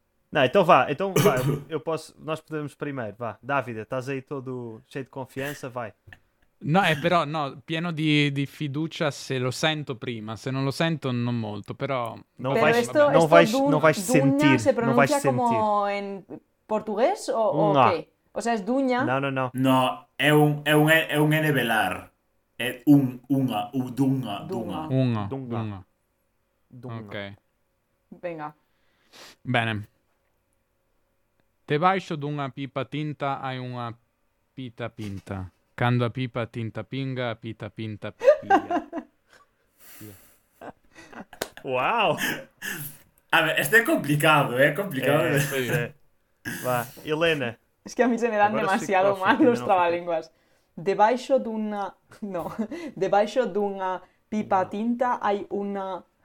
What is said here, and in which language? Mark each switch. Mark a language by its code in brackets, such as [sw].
[pt] Não, então vá, eu posso, nós podemos primeiro, vá. Davide, estás aí todo cheio de confiança, vai. Não, é, [it] però, no, pieno di fiducia se lo sento prima, se non lo sento non molto, però... [pt] Não vais, [es] esto, [pt] não vais, não vais sentir, se não vais sentir. Dunha se pronuncia como em português ou o quê? Ou seja, dunha... Não. Não, é um N velar. É um, unha, o dunga, dunga. Unha, dunga. Dunga. Dunga. Ok. [es] Venga. [it] Bene. [pt] Debaixo de uma pipa tinta, há uma pita pinta. Quando a pipa tinta pinga, a pita pinta pia. Uau! A ver, este é complicado, é complicado. É, sim. Vá, Helena. [es] Es que a mí se me dan demasiado mal los trabalenguas. [pt] Debaixo de uma... Não. Debaixo de uma pipa tinta, há uma...